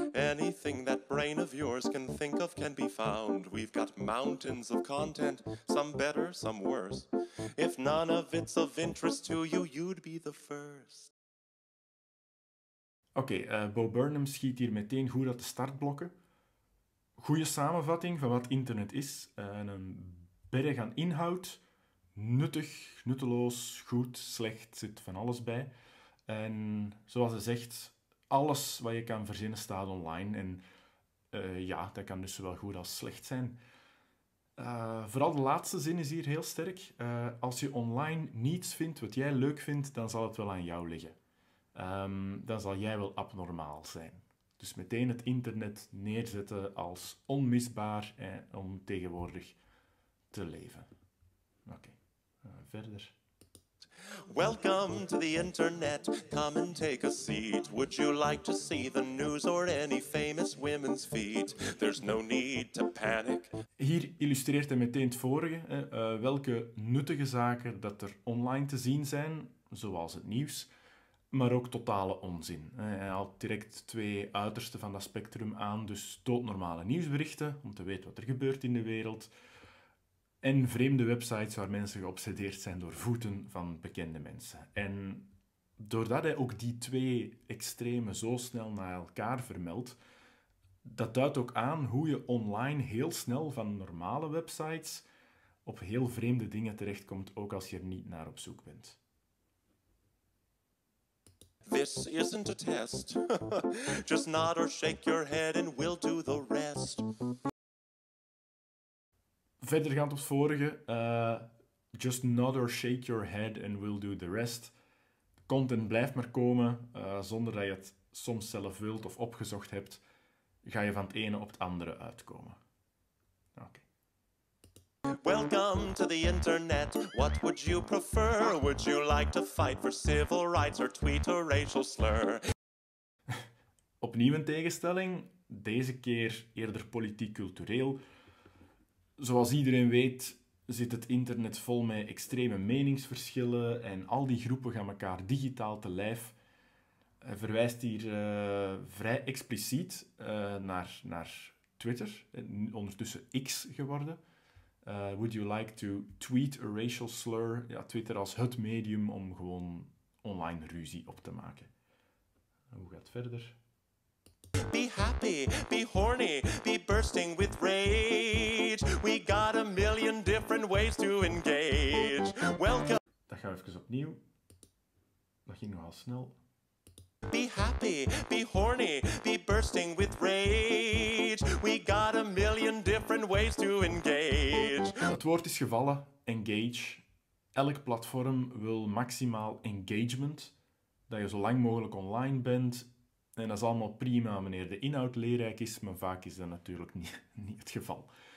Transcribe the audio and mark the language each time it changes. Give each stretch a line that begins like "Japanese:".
English: Anything that brain of yours can think of can be found. We've got mountains of content, some better, some worse. If none of it's of interest to you, you'd be the first.
Dutch: Oké, Bo Burnham schiet hier meteen goed uit de startblokken. Goede samenvatting van wat internet is. Een berg aan inhoud. Nuttig, nutteloos, goed, slecht, zit van alles bij. En zoals ze zegt, alles wat je kan verzinnen staat online. En dat kan dus zowel goed als slecht zijn. Vooral de laatste zin is hier heel sterk. Als je online niets vindt wat jij leuk vindt, dan zal het wel aan jou liggen. Dan zal jij wel abnormaal zijn. Dus meteen het internet neerzetten als onmisbaar om tegenwoordig te leven. Oké, verder.
English: Welcome to the internet, come and take a seat. Would you like to see the news or any famous women's feet? There's no need to panic.
Dutch: Hier illustreert hij meteen het vorige. Welke nuttige zaken dat er online te zien zijn, zoals het nieuws. Maar ook totale onzin. Hij haalt direct twee uitersten van dat spectrum aan. Dus doodnormale nieuwsberichten, om te weten wat er gebeurt in de wereld. En vreemde websites waar mensen geobsedeerd zijn door voeten van bekende mensen. En doordat hij ook die twee extremen zo snel naar elkaar vermeldt, dat duidt ook aan hoe je online heel snel van normale websites op heel vreemde dingen terechtkomt, ook als je er niet naar op zoek bent.
English: This isn't a test. Just nod or shake your head and we'll do the rest.
Dutch: Verder gaat op het vorige.
English: Just nod or shake your head and we'll do the rest.
Dutch: Content blijft maar komen, zonder dat je het soms zelf wilt of opgezocht hebt, ga je van het ene op het andere uitkomen. Oké.
English: Welcome to the internet. What would you prefer? Would you like to fight for civil rights or tweet a racial slur?
Dutch: Opnieuw een tegenstelling. Deze keer eerder politiek-cultureel. Zoals iedereen weet, zit het internet vol met extreme meningsverschillen en al die groepen gaan elkaar digitaal te lijf. Hij verwijst hier vrij expliciet naar Twitter, ondertussen X geworden.
English: Would you like to tweet a racial slur?
Dutch: Ja, Twitter als het medium om gewoon online ruzie op te maken. En hoe gaat het verder?
English: Be happy, be horny, be bursting with rage. We got a million different ways to engage. Welcome.
Dutch: Dat gaan we even opnieuw. Dat ging nogal snel.
English: Be happy, be horny, be bursting with rage. We got a million different ways to engage.
Dutch: Het woord is gevallen, engage. Elk platform wil maximaal engagement. Dat je zo lang mogelijk online bent. En dat is allemaal prima wanneer de inhoud leerrijk is, maar vaak is dat natuurlijk niet het geval.